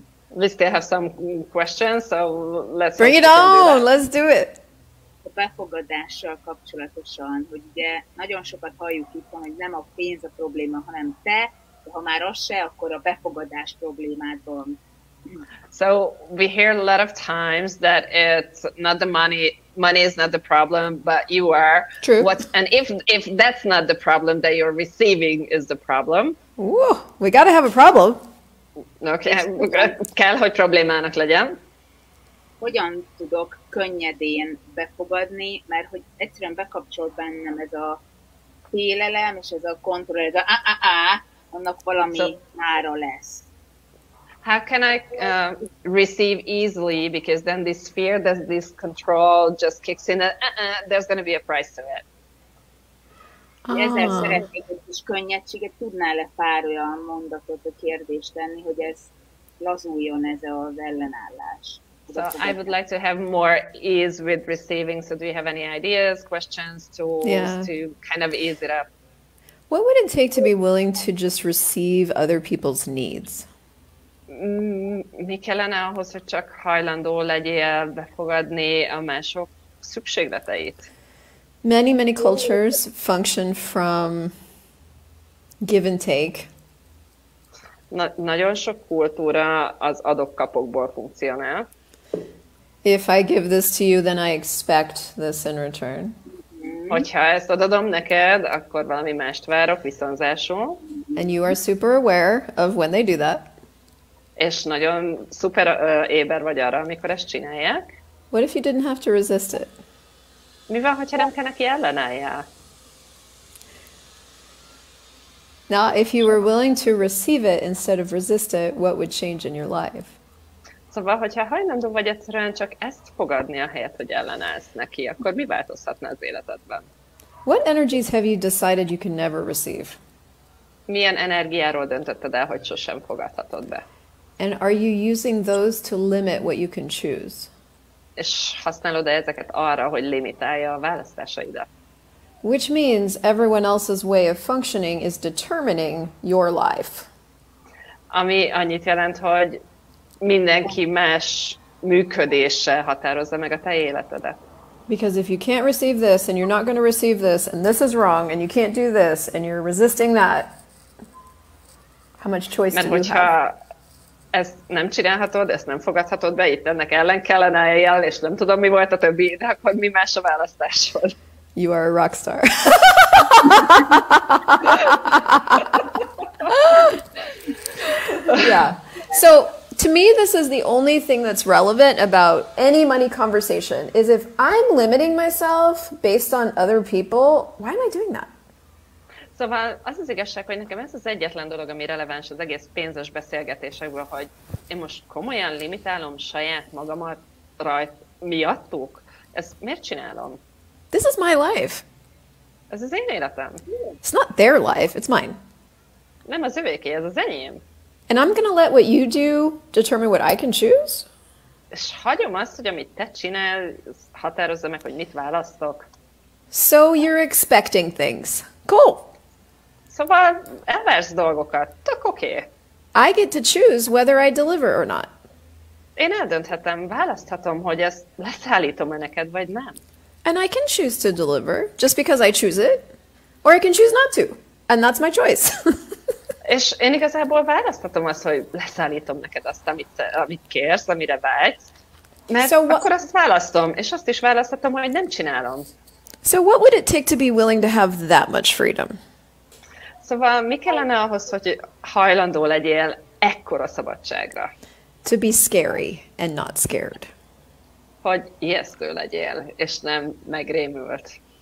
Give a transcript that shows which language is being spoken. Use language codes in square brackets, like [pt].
[en] We still have some questions, so let's bring it on, let's do it. [hu] A befogadással kapcsolatosan, hogy ugye nagyon sokat halljuk itt, hogy nem a pénz a probléma, hanem te, de ha már az se, akkor a befogadás problémád van. [en] So we hear a lot of times that it's not the money, money is not the problem, but you are. True. And if that's not the problem, that you're receiving is the problem. Ooh, we gotta have a problem. [hu] Okay, kell, hogy problémának legyen. Hogyan tudok könnyedén befogadni, mert hogy egyszerűen bekapcsol bennem ez a félelem, és ez a kontroll, ez a annak valami ára lesz. [en] How can I receive easily, because then this fear, this control just kicks in, there's going to be a price to it. [hu] Ezzel szeretnék egy kis könnyedséget, tudnál-e pár olyan mondatot, a kérdést tenni, hogy ez lazuljon, ez az ellenállás. [en] So I would like to have more ease with receiving, so do you have any ideas, questions, tools to kind of ease it up? What would it take to be willing to just receive other people's needs? [hu] Mi kellene ahhoz, hogy csak hajlandó legyél befogadni a mások szükségleteit? [en] Many, many cultures function from give and take. [hu] Nagyon sok kultúra az adok-kapokból funkcionál. [en] If I give this to you, then I expect this in return. [hu] Hogyha ezt adom neked, akkor valami mást várok viszonzásul. [en] And you are super aware of when they do that. [hu] És nagyon szuper éber vagy arra, amikor ezt csinálják. [en] What if you didn't have to resist it? [hu] Mi van, hogyha nem kell neki ellenálljál? [en] Now, if you were willing to receive it instead of resist it, what would change in your life? [hu] Szóval, hogyha hajlandó vagy egyszerűen csak ezt fogadni a helyet, hogy ellenállsz neki, akkor mi változhatna az életedben? [en] What energies have you decided you can never receive? [hu] Milyen energiáról döntötted el, hogy sosem fogadhatod be? [en] And are you using those to limit what you can choose? [hu] És használod-e ezeket arra, hogy limitálja a választásaidat? [en] Which means everyone else's way of functioning is determining your life. [hu] Ami annyit jelent, hogy mindenki más működése határozza meg a te életedet. [en] Because if you can't receive this and you're not going to receive this and this is wrong and you can't do this and you're resisting that, how much choice do you have? [hu] Ez nem csinálhatod, ezt nem fogadhatod be, itt ennek ellen kellene eljárni, és nem tudom, mi volt a többi, de akkor mi más a választásod? [en] You are a rockstar. Yeah. So, to me, this is the only thing that's relevant about any money conversation, is if I'm limiting myself based on other people, why am I doing that? [hu] Szóval az az igazság, hogy nekem ez az egyetlen dolog, ami releváns az egész pénzes beszélgetésekből, hogy én most komolyan limitálom saját magamat rajt miattuk. Ezt miért csinálom? [en] This is my life. [hu] Ez az én életem. [en] It's not their life, it's mine. [hu] Nem az övéké, ez az enyém. [en] And I'm gonna let what you do determine what I can choose? [hu] És hagyom azt, hogy amit te csinálsz, határozza meg, hogy mit választok. [en] So you're expecting things. Cool. [hu] Szóval elvársz dolgokat. Tök oké. [en] I get to choose whether I deliver or not. [hu] Én eldönthetem, választhatom, hogy ezt leszállítom-e neked, vagy nem. [en] And I can choose to deliver just because I choose it. Or I can choose not to. And that's my choice. [hu] És én igazából választhatom azt, hogy leszállítom neked azt, amit kérsz, amire vágysz. Mert so akkor azt választom. És azt is választhatom, hogy nem csinálom. [en] So what would it take to be willing to have that much freedom? [hu] Szóval mi kellene ahhoz, hogy hajlandó legyél ekkora szabadságra? [en] To be scary and not scared. [hu] Hogy ijesztő legyél, és nem megrémült.